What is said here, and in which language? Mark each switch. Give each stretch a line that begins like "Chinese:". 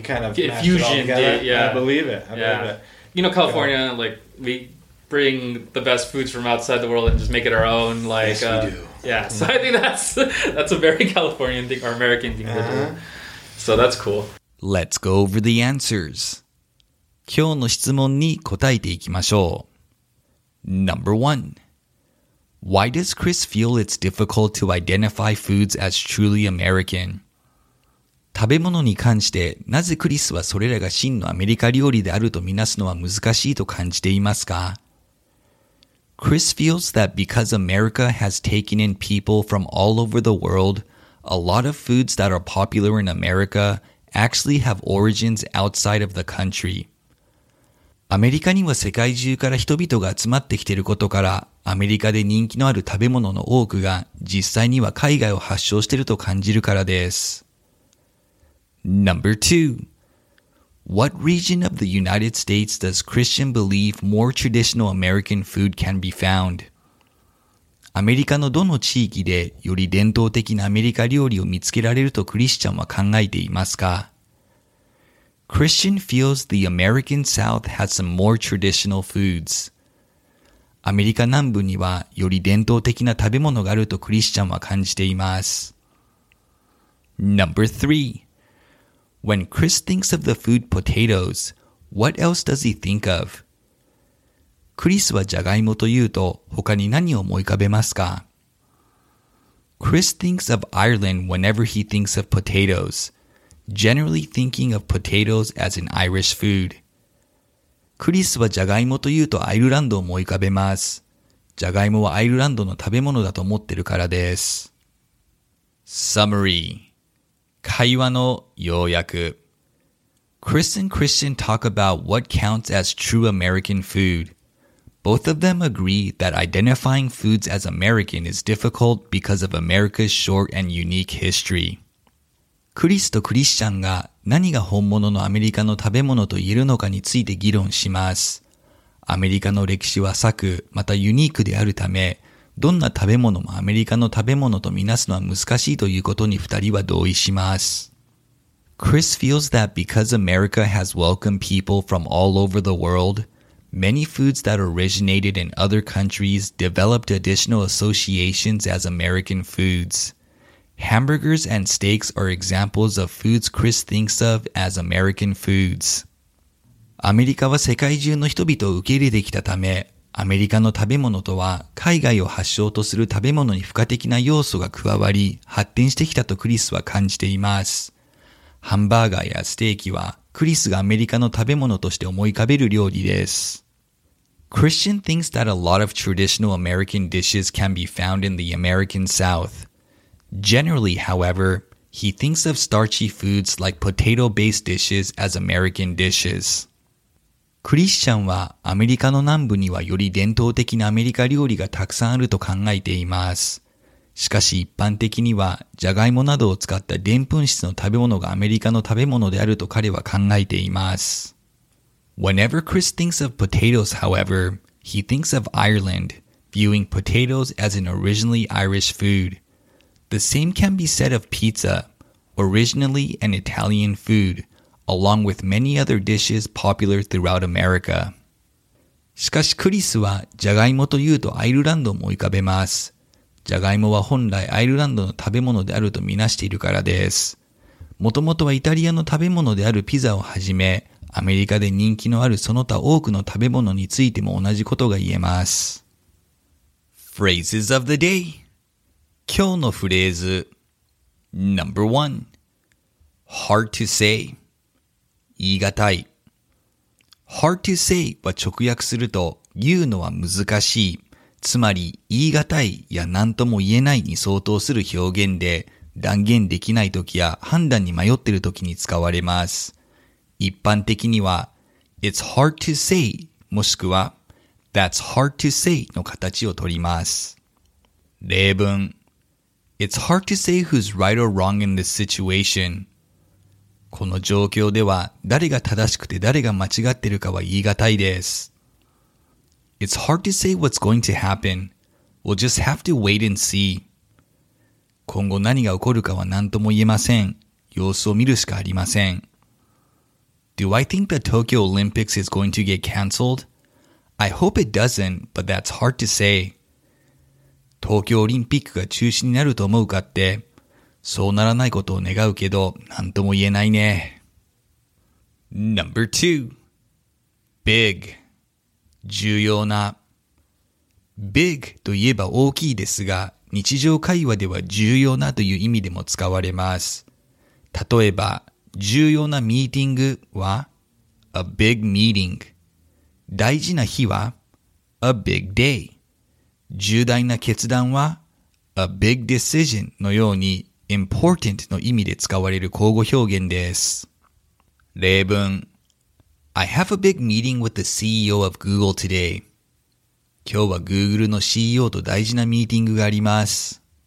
English: kind of fusion. Yeah, I believe it. I believe it. You know, California, yeah. like we bring the best foods from outside the world and just make it our own. Like, yes, we do. Yeah. Mm-hmm. So I think that's a very Californian thing or American thing to do. So that's cool. Let's go over the answers.
Japanese: 今日の質問に答えていきましょう。
English: Number one. Why does Chris feel it's difficult to identify foods as truly American?
Japanese: 食べ物に関して、なぜクリスはそれらが真のアメリカ料理であるとみなすのは難しいと感じていますか?
English: Chris feels that because America has taken in people from all over the world, a lot of foods that are popular in America actually have origins outside of the country.
Japanese: アメリカには世界中から人々が集まってきていることから、アメリカで人気のある食べ物の多くが実際には海外を発祥していると感じるからです。
English: Number two. What region of the United States does Christian believe more traditional American food can be found?
Japanese: アメリカのどの地域でより伝統的なアメリカ料理を見つけられるとクリスチャンは考えていますか?
English: Christian feels the American South has some more traditional foods.
Japanese: アメリカ南部にはより伝統的な食べ物があるとクリスチャンは感じています。
English: Number three. When Chris thinks of the food potatoes, what else does he think of?
Japanese: Chris はジャガイモというと他に何を思い浮かべますか?
English: Chris thinks of Ireland whenever he thinks of potatoes, generally thinking of potatoes as an Irish food.
Japanese: Chris はジャガイモというとアイルランドを思い浮かべます。ジャガイモはアイルランドの食べ物だと思ってるからです。
English: Summary.
Japanese: 会話の要約。
English: Chris and Christian talk about what counts as true American food. Both of them agree that identifying foods as American is difficult because of America's short and unique history.
Japanese: クリスとクリスチャンが何が本物のアメリカの食べ物と言えるのかについて議論します。アメリカの歴史は浅く、またユニークであるため、どんな食べ物もアメリカの食べ物とみなすのは難しいということに二人は同意します。
English: Chris feels that because America has welcomed people from all over the world, many foods that originated in other countries developed additional associations as American foods. Hamburgers and steaks are examples of foods Chris thinks of as American foods.
Japanese: アメリカは世界中の人々を受け入れてきたため、アメリカの食べ物とは海外を発祥とする食べ物に付加的な要素が加わり発展してきたとクリスは感じています。ハンバーガーやステーキはクリスがアメリカの食べ物として思い浮かべる料理です。
English: Christian thinks that a lot of traditional American dishes can be found in the American South. Generally, however, he thinks of starchy foods like potato-based dishes as American dishes.
Japanese: クリスチャンはアメリカの南部にはより伝統的なアメリカ料理がたくさんあると考えています。しかし一般的にはジャガイモなどを使ったでんぷん質の食べ物がアメリカの食べ物であると彼は考えています。
English: Whenever Chris thinks of potatoes, however, he thinks of Ireland, viewing potatoes as an originally Irish food. The same can be said of pizza, originally an Italian food. Along with many other dishes popular throughout America.
Japanese: しかしクリスはジャガイモというとアイルランドを思い浮かべます。ジャガイモは本来アイルランドの食べ物であるとみなしているからです。もともとはイタリアの食べ物であるピザをはじめ、アメリカで人気のあるその他多くの食べ物についても同じことが言えます。
English: Phrases of the day
Japanese: 今日のフレーズ
English: Number one Hard to say
Japanese: 言い難い。
English: Hard to say
Japanese: は直訳すると言うのは難しい。つまり言い難いや何とも言えないに相当する表現で断言できないときや判断に迷っているときに使われます。一般的には
English: It's hard to say
Japanese: もしくは
English: That's hard to say
Japanese: の形をとります。例文
English: It's hard to say who's right or wrong in this situation.
Japanese: この状況では誰が正しくて誰が間違ってるかは言い難いです。
English: It's hard to say what's going to happen. We'll just have to wait and see.
Japanese: 今後何が起こるかは何とも言えません。様子を見るしかありません。
English: Do I think the Tokyo Olympics is going to get cancelled? I hope it doesn't, but that's hard to say.
Japanese: 東京オリンピックが中止になると思うかって、そうならないことを願うけど、なんとも言えないね。
English: Number two. Big.
Japanese: 重要な。 Big といえば大きいですが、日常会話では重要なという意味でも使われます。例えば、重要なミーティングは
English: A big meeting。
Japanese: 大事な日は
English: A big day。
Japanese: 重大な決断は
English: A big decision
Japanese: のように Important の意味で使われる口語表現です。例文、
English: I have a big meeting with the CEO of Google today.
Japanese: 今日は Google の CEO と大事なミーティングがあります。